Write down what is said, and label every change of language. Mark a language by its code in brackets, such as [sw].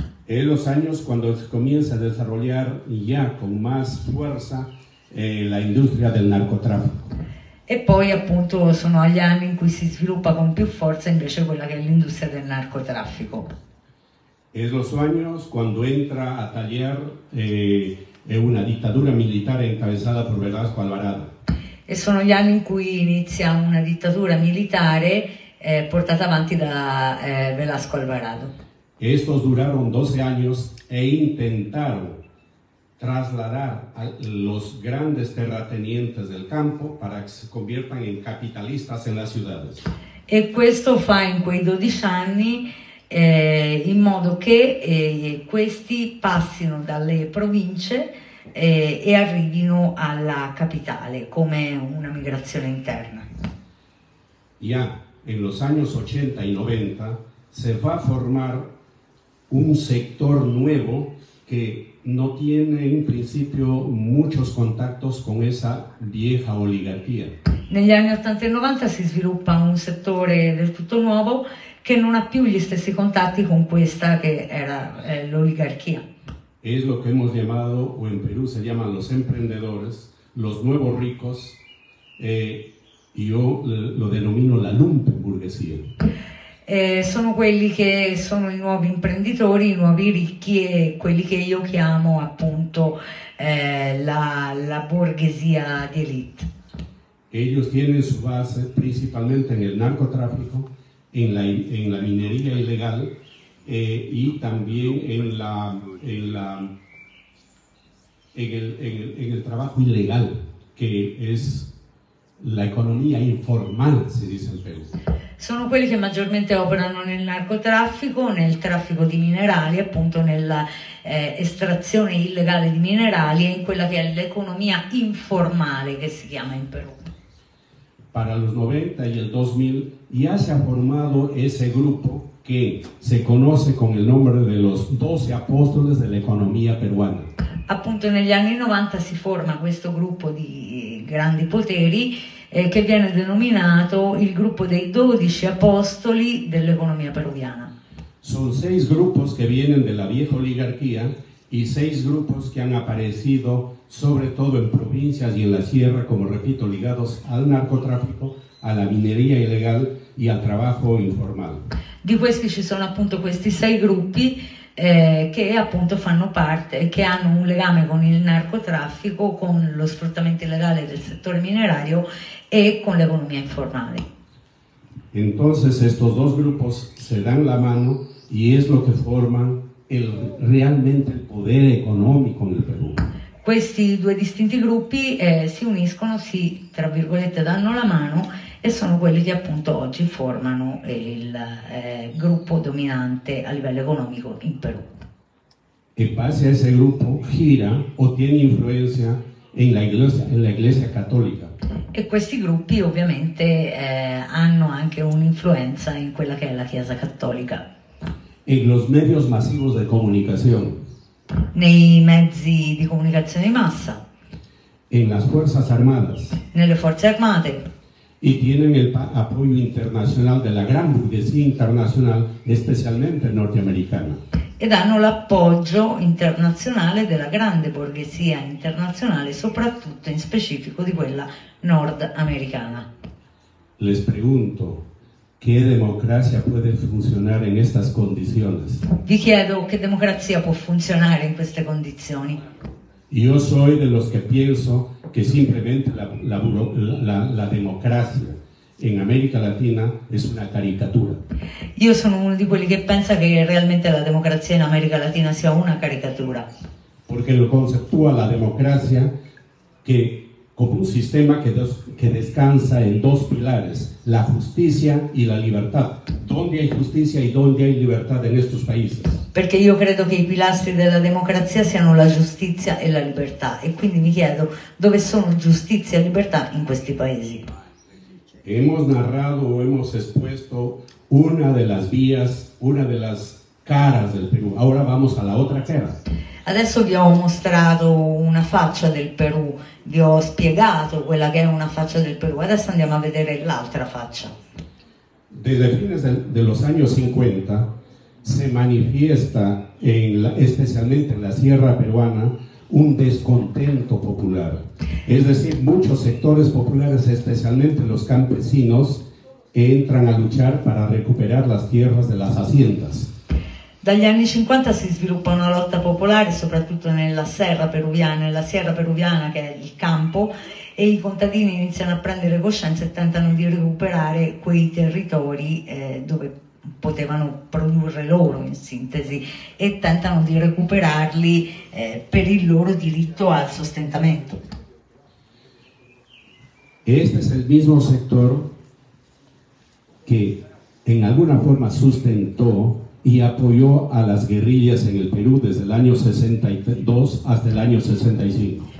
[es] En los años cuando comienza a desarrollar ya con más fuerza la industria del narcotráfico. [it] E poi appunto sono gli anni in cui si sviluppa con più forza invece quella che è l'industria del narcotraffico. [es] Es los años cuando entra a tallar [it] una dittatura militare [es] encabezada por Velasco Alvarado. [it] E sono gli anni in cui inizia una dittatura militare portata avanti da Velasco Alvarado. [es] Estos duraron 12 años e intentaron trasladar a los grandes terratenientes del campo para que se conviertan en capitalistas en las ciudades. [it] E questo fa in quei 12 anni in modo che questi passino dalle province e arrivino alla capitale come una migrazione interna. [es] Ya en los años 80 y 90 se va a formar un sector nuevo que no tiene en principio muchos contactos con esa vieja oligarquía. [it] Negli anni 80 e 90 si sviluppa un settore del tutto nuovo che non ha più gli stessi contatti con questa che era l'oligarchia. [es] Es lo que hemos llamado, o en Perú se llaman los emprendedores, los nuevos ricos, yo lo denomino la lumpenburguesía. [it] Sono quelli che sono i nuovi imprenditori, i nuovi ricchi e quelli che io chiamo appunto la borghesia di elite. [es] Ellos tienen su base principalmente nel narcotráfico, en la minería ilegal y también en el trabajo ilegal, que es la economía informal, [it] si dice [es] en Perú. [it] Sono quelli che maggiormente operano nel narcotraffico, nel traffico di minerali, appunto nella estrazione illegale di minerali e in quella che è l'economia informale che si chiama in Perù. [es] Para los 90 y el 2000 ya se ha formado ese grupo que se conoce con el nombre de los 12 apóstoles de la economía peruana. [it] Appunto negli anni 90 si forma questo gruppo di grandi poteri che viene denominato il gruppo dei 12 apostoli dell'economia peruviana. [es] Son seis grupos que vienen de la vieja oligarquía y seis grupos que han aparecido sobre todo en provincias y en la sierra, como repito, ligados al narcotráfico, a la minería ilegal y al trabajo informal. [it] Di questi ci sono appunto questi sei gruppi che appunto fanno parte, che hanno un legame con il narcotraffico, con lo sfruttamento illegale del settore minerario e con l'economia informale. [es] Entonces estos dos grupos se dan la mano y es lo que forman el realmente el poder económico en el Perú. [it] Questi due distinti gruppi si uniscono, si tra virgolette danno la mano e sono quelli che appunto oggi formano il gruppo dominante a livello economico in Perù. [es] En base a ese grupo gira o tiene influencia en la iglesia, en la iglesia católica. [it] E questi gruppi ovviamente hanno anche un'influenza in quella che è la Chiesa Cattolica. [es] En los medios masivos de comunicación. [it] Nei mezzi di comunicazione di massa. [es] En las fuerzas armadas. [it] Nelle forze armate. [es] Y tienen el apoyo internacional de la gran burguesía internacional, especialmente norteamericana. [it] Ed hanno l'appoggio internazionale della grande borghesia internazionale, soprattutto in specifico di quella nordamericana. [es] Les pregunto, ¿qué democracia puede funcionar en estas condiciones? [it] Vi chiedo, ¿qué democracia può funzionare in queste condizioni? [es] Yo soy de los que pienso que simplemente la democracia en América Latina es una caricatura. [it] Io sono uno di quelli che pensa che realmente la democrazia in America Latina sia una caricatura. [es] Porque lo conceptúa la democracia que como un sistema que descansa en dos pilares, la justicia y la libertad. ¿Dónde hay justicia y dónde hay libertad en estos países? [it] Perché io credo che i pilastri della democrazia siano la giustizia e la libertà e quindi mi chiedo dove sono giustizia e libertà in questi paesi. [es] Hemos narrado o hemos expuesto una de las vías, una de las caras del Perú. Ahora vamos a la otra cara. [it] Adesso vi ho mostrato una faccia del Perù, vi ho spiegato quella che è una faccia del Perù. Adesso andiamo a vedere l'altra faccia. [es] Desde fines de los años 50 se manifiesta en la, especialmente en la sierra peruana, un descontento popular. Es decir, muchos sectores populares, especialmente los campesinos, entran a luchar para recuperar las tierras de las haciendas. [it] Dagli anni 50 si sviluppa una lotta popolare, soprattutto nella serra peruviana, che è il campo, e i contadini iniziano a prendere coscienza e tentano di recuperare quei territori dove potevano produrre loro, in sintesi, e tentano di recuperarli per il loro diritto al sostentamento. [es] Este es el mismo sector que en alguna forma sustentó y apoyó a las guerrillas en el Perú desde el año 62 hasta el año 65.